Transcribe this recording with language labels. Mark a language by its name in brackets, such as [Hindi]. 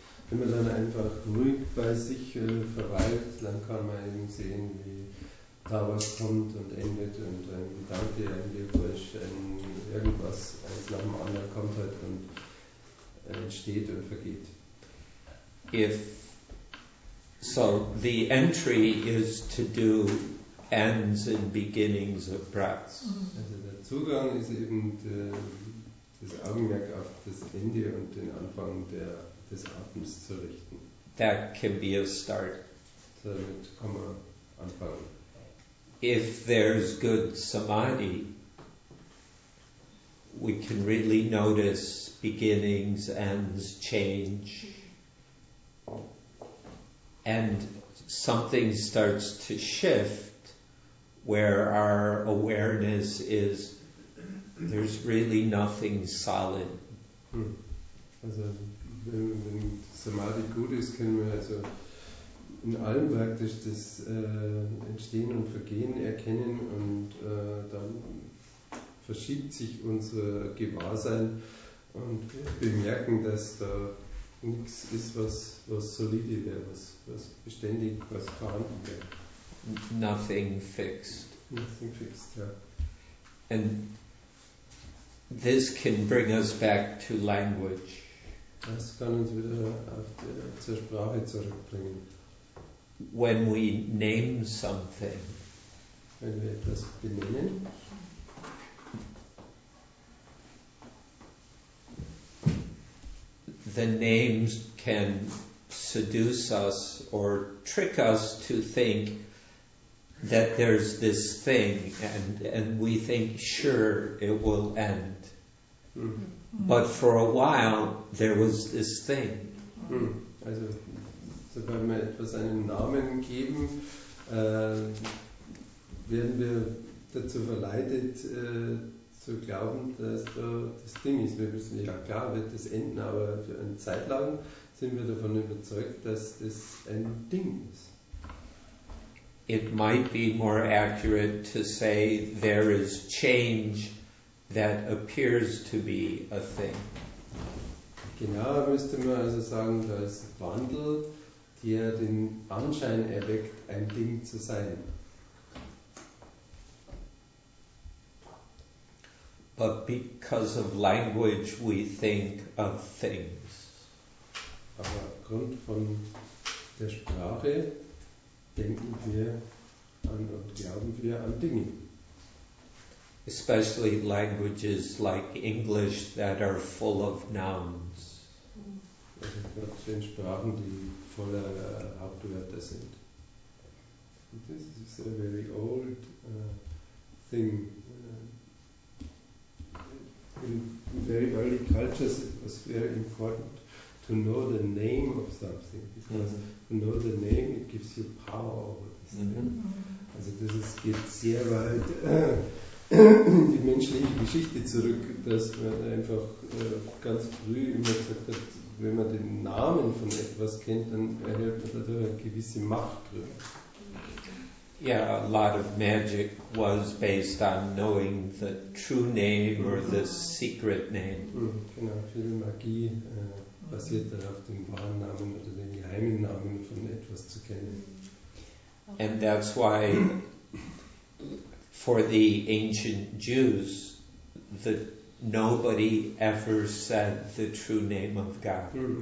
[German] Wenn man dann einfach ruhig bei sich verweilt, dann kann man eben sehen, wie da was kommt und endet und ein Gedanke, ein Geräusch, irgendwas eins nach dem anderen kommt halt und entsteht und vergeht. [English] If so, the entry is to do ends and beginnings of breaths. [German] Also der Zugang ist eben das Augenmerk auf das Ende und den Anfang des Atems zu richten. [English] That can be a start. [German] Damit kann man anfangen. [English] If there's good samadhi, we can really notice beginnings, ends, change. And something starts to shift where our awareness is there's really nothing solid. [German] Also, wenn samadhi gut ist, können wir also in allem praktisch das Entstehen und Vergehen erkennen und dann verschiebt sich unser Gewahrsein und wir bemerken, dass da nichts ist, was solide wäre, was beständig, was vorhanden wäre. [English] Nothing fixed. Nothing fixed, ja. And this can bring us back to language. [German] Das kann uns wieder zur Sprache zurückbringen. [English] When we name something, [German] wenn wir etwas benennen, [English] the names can seduce us or trick us to think that there's this thing, and we think, sure, it will end. Mm-hmm. But for a while, there was this thing. Mm. [German] Also, sobald wir etwas einen Namen geben, werden wir dazu verleitet, zu glauben, dass da das Ding ist. Wir wissen, ja klar, wird das enden, aber für eine Zeit lang sind wir davon überzeugt, dass das ein Ding ist. [English] It might be more accurate to say there is change that appears to be a thing. [German] Genauer müsste man also sagen, da ist Wandel, der den Anschein erweckt, ein Ding zu sein. [English] But because of language, we think of things. [German] Aber aufgrund von der Sprache denken wir an und glauben wir an Dinge. [English] Especially languages like English that are full of nouns. [German] Also Sprachen, die voller Hauptwörter sind. [English] This is a very old thing. In very early cultures, it was very important to know the name of something, because to know the name, it gives you power over this thing. [German] Also, das ist, geht sehr weit die menschliche Geschichte zurück, dass man einfach ganz früh immer gesagt hat, wenn man den Namen von etwas kennt, dann erhält man dadurch eine gewisse Macht drüber. [English] Yeah, a lot of magic was based on knowing the true name or the secret name. [German] Genau, viel Magie basiert darauf, den wahren Namen oder den geheimen Namen von etwas zu kennen. [English] And that's why for the ancient Jews, that nobody ever said the true name of God.